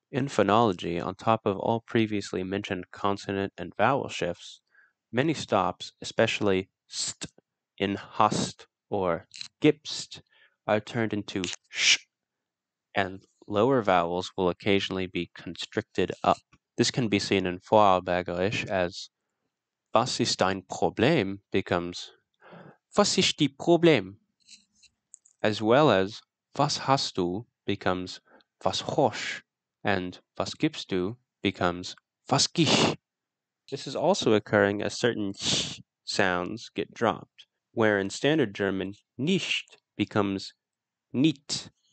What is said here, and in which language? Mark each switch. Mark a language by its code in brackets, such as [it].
[en] In phonology, on top of all previously mentioned consonant and vowel shifts, many stops, especially st in hast or gibst, are turned into sh, and lower vowels will occasionally be constricted up. This can be seen in Vorarlbergerisch as [de] Was ist dein Problem [en] becomes [de] Was ist die Problem? [en] As well as [de] Was hast du [en] becomes [de] Was hosch? [en] And [de] Was gibst du [en] becomes [de] Was gich? [en] This is also occurring as certain sh sounds get dropped, where in Standard German nicht becomes nit.